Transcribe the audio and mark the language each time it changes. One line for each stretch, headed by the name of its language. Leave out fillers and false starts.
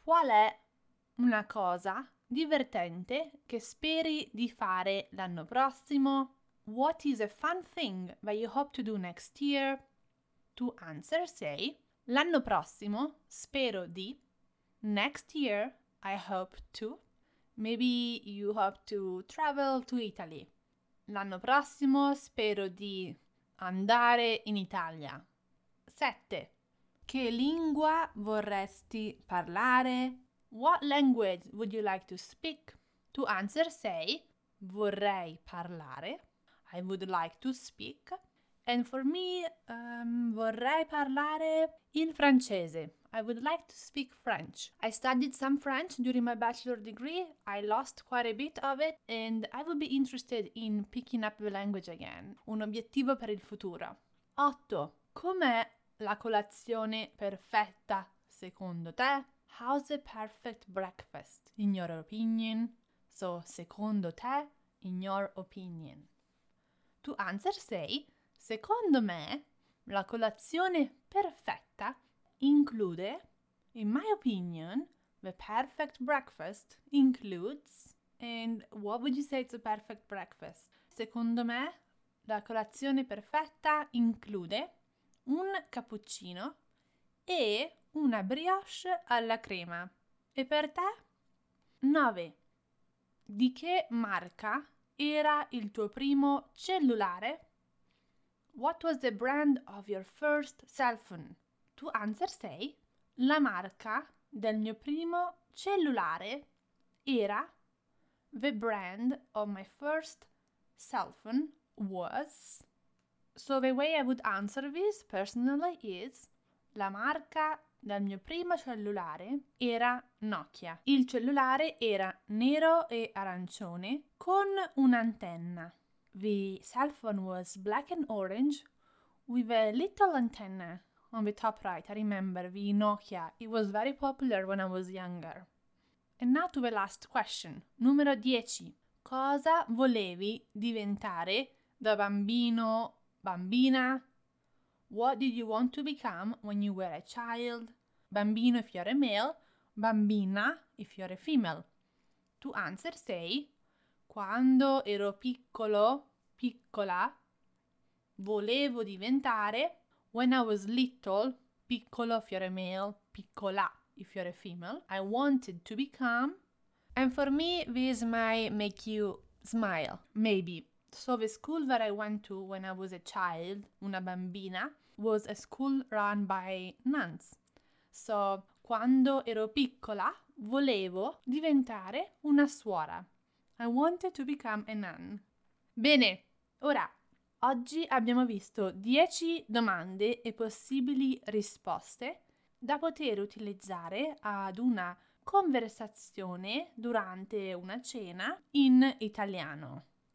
Italian: Qual è una cosa divertente che speri di fare l'anno prossimo?
English: What is a fun thing that you hope to do next year? To answer, say,
Italian: l'anno prossimo spero di,
English: next year I hope to, maybe you hope to travel to Italy.
Italian: L'anno prossimo spero di andare in Italia. 7. Che lingua vorresti parlare?
English: What language would you like to speak? To answer, say,
Italian: vorrei parlare.
English: I would like to speak. And for me,
Italian: vorrei parlare il francese.
English: I would like to speak French. I studied some French during my bachelor degree. I lost quite a bit of it and I would be interested in picking up the language again.
Italian: Un obiettivo per il futuro. 8. Com'è la colazione perfetta secondo te?
English: How's the perfect breakfast in your opinion? So,
Italian: secondo te,
English: in your opinion. To answer, say,
Italian: secondo me, la colazione perfetta include,
English: in my opinion, the perfect breakfast includes, and what would you say it's a perfect breakfast?
Italian: Secondo me, la colazione perfetta include un cappuccino e una brioche alla crema. E per te? 9. Di che marca era il tuo primo cellulare?
English: What was the brand of your first cell phone? To answer, say,
Italian: la marca del mio primo cellulare era,
English: the brand of my first cell phone was. So the way I would answer this personally is,
Italian: la marca dal mio primo cellulare era Nokia. Il cellulare era nero e arancione con un'antenna.
English: The cell phone was black and orange with a little antenna on the top right. I remember the Nokia. It was very popular when I was younger. And now to the last question.
Italian: Numero 10. Cosa volevi diventare da bambino, bambina?
English: What did you want to become when you were a child? Bambino if you're a male, bambina if you're a female. To answer, say,
Italian: quando ero piccolo, piccola, volevo diventare,
English: when I was little, piccolo if you're a male, piccola if you're a female, I wanted to become. And for me, this might make you smile, maybe. So the school that I went to when I was a child,
Italian: una bambina,
English: was a school run by nuns.
Italian: So, quando ero piccola, volevo diventare una suora.
English: I wanted to become a nun.
Italian: Bene, ora, oggi abbiamo visto 10 domande e possibili risposte da poter utilizzare ad una conversazione durante una cena in italiano.